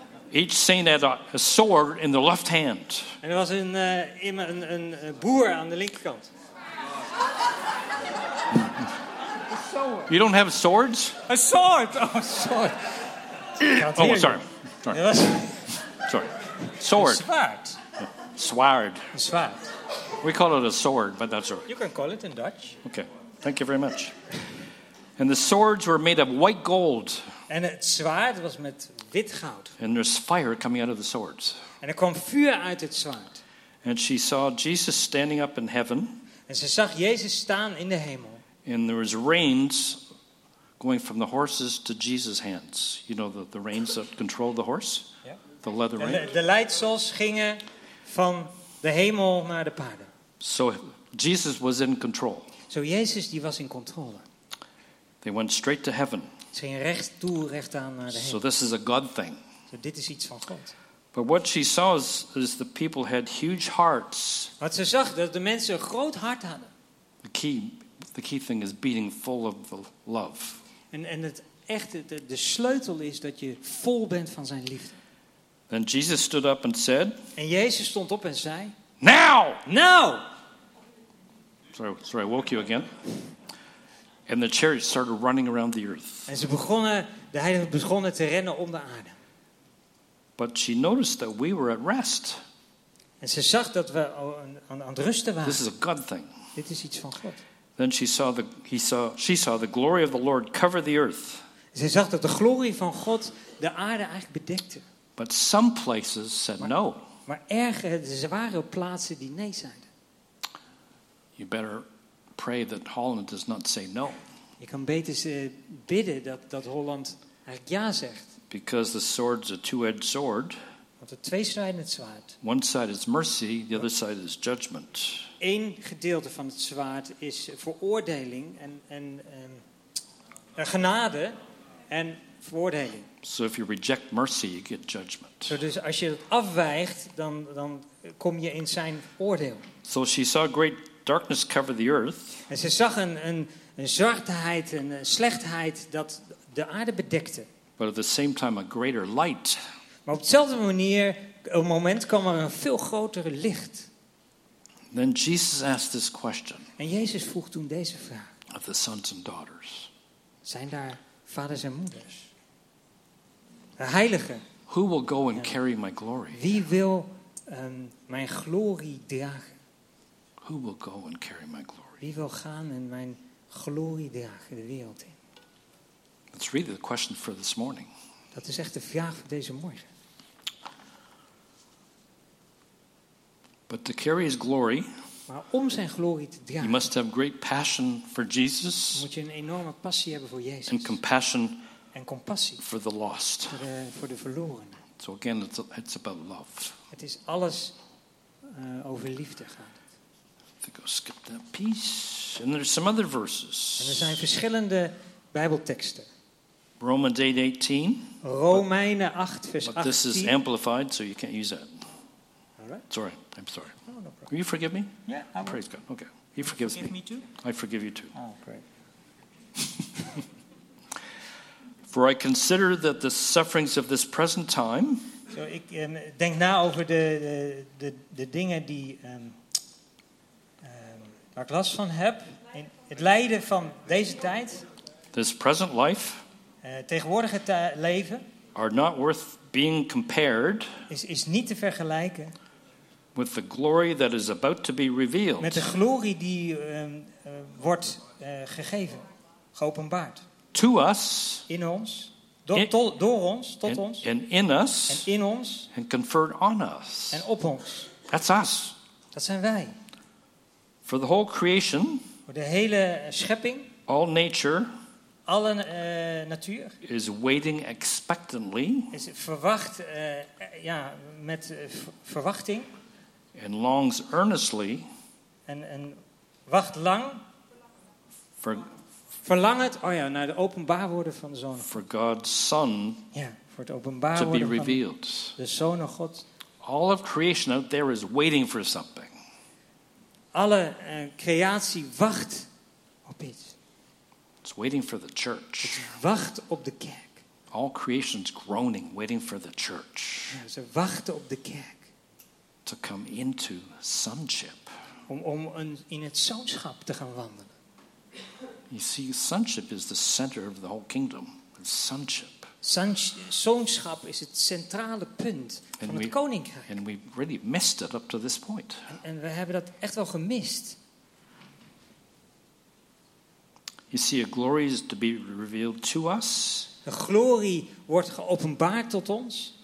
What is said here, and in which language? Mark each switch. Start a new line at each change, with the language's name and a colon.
English: Each saint had a sword in the left hand.
Dutch: En er was een boer aan de linkerkant.
English: You don't have swords? A sword! Oh, sword. Oh, sorry. Sorry. Sword.
Dutch: Zwaard. Zwaard. Zwaard.
English: We call it a sword, but that's right. You can call it in Dutch. Okay. Thank you very much. And the swords were made of white gold.
Dutch: En het zwaard was met wit goud.
English: And there's fire coming out of the swords.
Dutch: En er kwam vuur uit het zwaard.
English: And she saw Jesus standing up in heaven.
Dutch: En ze zag Jezus staan in de hemel.
English: And there was reins going from the horses to Jesus' hands. You know the reins that control the horse? Yeah. The leather reins.
Dutch: De leidsels gingen van de hemel naar de paarden.
English: So Jesus was in control.
Dutch: So Jezus die was in controle.
English: They went straight to heaven.
Dutch: Ze gingen recht toe, recht aan naar de hemel.
English: So this is a God thing.
Dutch: So dit is iets van God.
English: But what she saw is the people had huge hearts.
Dutch: Wat ze zag dat de mensen een groot hart hadden.
English: The key thing is beating full of the love.
Dutch: En het echte, de sleutel is dat je vol bent van zijn liefde.
English: Then Jesus stood up and said.
Dutch: En Jezus stond op en zei.
English: Now! Now! Sorry, I woke you again. And the chariots started running around the earth.
Dutch: En ze begonnen, de heiligen begonnen te rennen om de aarde.
English: But she noticed that we were at rest.
Dutch: En ze zag dat we aan het rusten waren.
English: This is a God thing.
Dutch: Dit is iets van God.
English: Then she saw the glory of the Lord cover the earth.
Dutch: Ze zag dat de glorie van God de aarde eigenlijk bedekte.
English: But some places said no.
Dutch: Maar ergens waren plaatsen die nee zeiden.
English: You better pray that Holland does not say no.
Dutch: Je kan beter bidden dat Holland eigenlijk ja zegt.
English: Because the sword's a two-edged sword.
Dutch: Want de twee strijden het zwaard.
English: One side is mercy, the other side is judgment.
Dutch: Eén gedeelte van het zwaard is veroordeling en genade en veroordeling.
English: So if you reject mercy, you get judgment.
Dutch: So dus als je het afwijgt, dan kom je in zijn oordeel.
English: So she saw great darkness cover the earth.
Dutch: En ze zag een zwartheid, een slechtheid dat de aarde bedekte.
English: But at the same time a greater light.
Dutch: Maar op dezelfde manier, op een moment kwam er een veel grotere licht.
English: Then Jesus asked this question.
Dutch: En Jezus vroeg toen deze vraag.
English: Of the sons and daughters.
Dutch: Zijn daar vaders en moeders? De heiligen.
English: Who will go and carry my glory?
Dutch: Wie wil mijn glorie dragen?
English: Who will go and carry my glory?
Dutch: Wie wil gaan en mijn glorie dragen de wereld in?
English: That's really the question for this morning.
Dutch: Dat is echt de vraag voor deze morgen.
English: But to carry his glory,
Dutch: maar om zijn glorie te dragen,
English: you must have great passion for Jesus,
Dutch: moet je een enorme passie hebben voor Jezus.
English: And compassion
Dutch: en compassie
English: for the lost.
Dutch: Voor de verloren.
English: So again, it's about love.
Dutch: Het is alles over liefde gaat.
English: I think I'll skip that piece. And there's some other verses.
Dutch: En er zijn verschillende Bijbelteksten.
English: Romans 8:18.
Dutch: Romeinen 8, vers 18.
English: But this is amplified, so you can't use that. Sorry, I'm sorry. Oh, no problem. Will you forgive me? Yeah, I will. Praise God. Okay, He forgives me. Forgive me too? I forgive you too. Oh, great. For I consider that the sufferings of this present time.
Dutch: So ik denk na over de dingen die waar ik last van heb. In het lijden van deze tijd.
English: This present life.
Dutch: Tegenwoordige leven.
English: Are not worth being compared.
Dutch: Is niet te vergelijken.
English: With the glory that is about to be revealed.
Dutch: Met de glorie die wordt gegeven, geopenbaard.
English: To us.
Dutch: In ons. Door ons, tot ons.
English: And in us.
Dutch: En in ons.
English: And conferred on us.
Dutch: En op ons.
English: That's us.
Dutch: Dat zijn wij.
English: For the whole creation.
Dutch: Voor de hele schepping.
English: All nature.
Dutch: alle natuur
English: is waiting expectantly.
Dutch: Is verwacht, ja, met verwachting.
English: And longs earnestly.
Dutch: En wacht lang. Verlangend, oh ja, naar de openbaar worden van de Zoon.
English: For God's Son.
Dutch: Ja, voor het openbaar worden
English: revealed.
Dutch: Van de Zoon van God.
English: All of creation out there is waiting for something.
Dutch: Alle creatie wacht op iets.
English: It's waiting for the church.
Dutch: Het wacht op de kerk.
English: All creation's groaning, waiting for the church.
Dutch: Ja, ze wachten op de kerk.
English: To come into sonship.
Dutch: Om in het zoonschap te gaan wandelen.
English: You see, sonship is the center of the whole kingdom. It's sonship.
Dutch: Zoonschap is het centrale punt van het koninkrijk.
English: And we really missed it up to this point.
Dutch: En we hebben dat echt wel gemist.
English: You see, a glory is to be revealed to us.
Dutch: De glorie wordt geopenbaard tot ons.